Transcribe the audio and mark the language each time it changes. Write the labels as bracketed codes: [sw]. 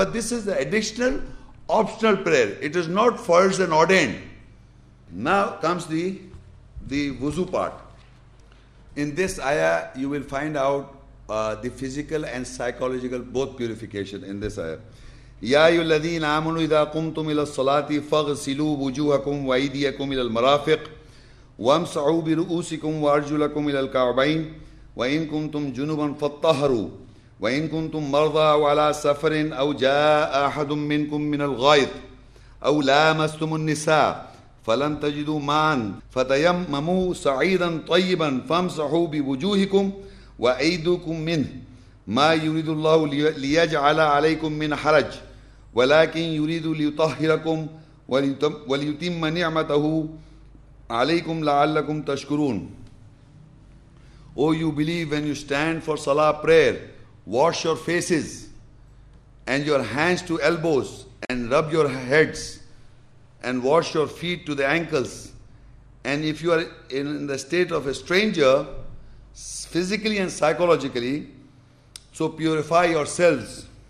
[en] But this is an additional, optional prayer. It is not farz and ordained. Now comes the wuzu part. In this ayah, you will find out the physical and psychological both purification in this ayah. [ar] Ya ayyuhalladhina amanu idha qumtum ila salati faghsilu wujuhakum wa aydiyakum ila al-marafiq وامسعوا برؤوسكم وارجلكم الى الكعبين وان كنتم جنبا فطهروا وان كنتم مرضى او على سفر او جاء احد منكم من الغائط او لامستم النساء فلم تجدوا ماء فتيمموا صعيدا طيبا فامسحوا بوجوهكم وايديكم منه ما يريد الله ليجعل عليكم من حرج ولكن يريد ليطهركم وليتم نعمته عليكم لعلكم تشكرون. [en] O you believe, when you stand for salah prayer, wash your faces and your hands to elbows and rub your heads and wash your feet to the ankles. And if you are in the state of a stranger, physically and psychologically, so purify yourselves.